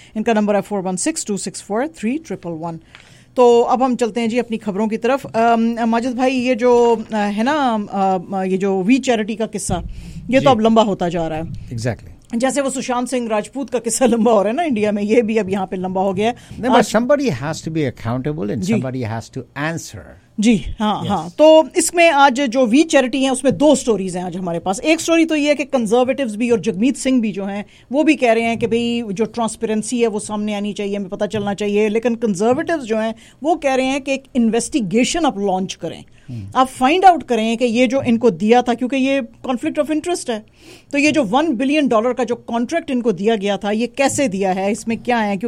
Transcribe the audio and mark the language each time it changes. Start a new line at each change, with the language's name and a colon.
Urdu: ان کا نمبر ہے 416-264-3111. تو اب ہم چلتے ہیں جی اپنی خبروں کی طرف. ماجد بھائی, یہ جو ہے نا یہ جو وی چیریٹی کا قصہ, یہ تو اب لمبا ہوتا جا رہا ہے.
English: Exactly.
Urdu: جیسے وہ سشانت سنگھ راجپوت کا قصہ لمبا ہو رہا ہے نا انڈیا میں, یہ بھی اب یہاں پہ لمبا ہو گیا ہے.
English: Somebody has to be accountable and somebody has to answer.
Urdu: جی ہاں ہاں, تو اس میں آج جو وی چیریٹی ہیں اس میں دو سٹوریز ہیں آج ہمارے پاس. ایک سٹوری تو یہ ہے کہ کنزرویٹیوز بھی اور جگمیت سنگھ بھی جو ہیں وہ بھی کہہ رہے ہیں کہ بھئی جو ٹرانسپیرنسی ہے وہ سامنے آنی چاہیے, ہمیں پتہ چلنا چاہیے. لیکن کنزرویٹیوز جو ہیں وہ کہہ رہے ہیں کہ ایک انویسٹیگیشن آپ لانچ کریں, آپ فائنڈ آؤٹ کریں کہ یہ جو ان کو دیا تھا, کیونکہ یہ کانفلکٹ آف انٹرسٹ ہے, تو یہ جو $1 بلین کا جو کانٹریکٹ ان کو دیا گیا تھا یہ کیسے دیا ہے, اس میں کیا ہے.